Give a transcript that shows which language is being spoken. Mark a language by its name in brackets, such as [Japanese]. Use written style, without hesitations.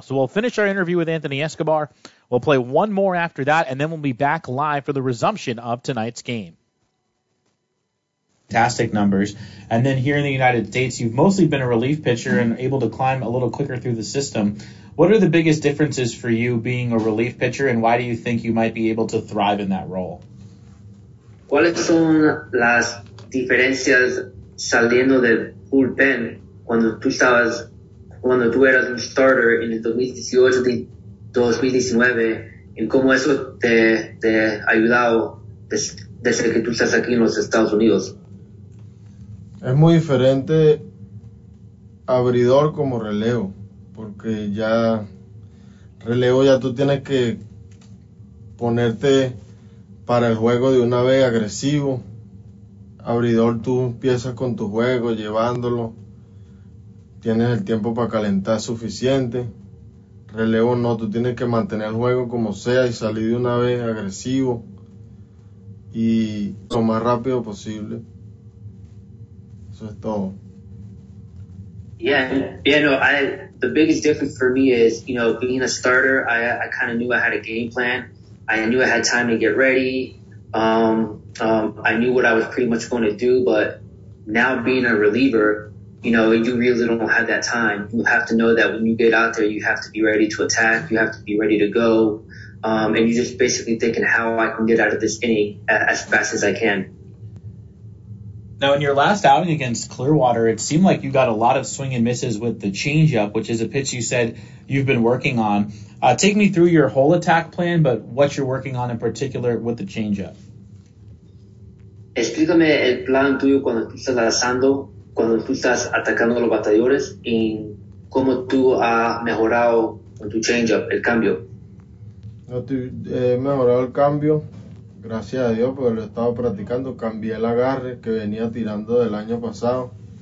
[English] So we'll finish our interview with Anthony Escobar. We'll play one more after that, and then we'll be back live for the resumption of tonight's game. Fantastic numbers. And then here in the United States, you've mostly been a relief pitcher and able to climb a little quicker through the system. What are the biggest differences for you being a relief pitcher, and why do you think you might be able to thrive in that role? [Spanish] ¿Cuáles son las diferencias saliendo del bullpen cuando tú eras un starter en el 2018-2019 y cómo eso te ha ayudado desde que tú estás aquí en los Estados Unidos? Es muy diferente abridor como relevo, porque ya relevo ya tú tienes que ponerte para el juego de una vez agresivo. Abridor tú empiezas con tu juego, llevándolo, tienes el tiempo para calentar suficiente. Relevo no, tú tienes que mantener el juego como sea y salir de una vez agresivo y lo más rápido posible. [English] The biggest difference for me is, you know, being a starter, I kind of knew I had a game plan. I knew I had time to get ready. I knew what I was pretty much going to do. But now being a reliever, you know, you really don't have that time. You have to know that when you get out there, you have to be ready to attack. You have to be ready to go. And you're just basically thinking how I can get out of this inning as fast as I can. Now, in your last outing against Clearwater, it seemed like you got a lot of swing and misses with the changeup, which is a pitch you said you've been working on. Take me through your whole attack plan, but what you're working on in particular with the changeup. [Spanish] Explícame el plan tuyo cuando tú estás lanzando, cuando tú estás atacando a los bateadores, y cómo tú has mejorado con tu changeup, el cambio. He mejorado el cambio. Gracias a Dios, porque lo he estado practicando. Cambié el agarre que venía tirando del año pasado.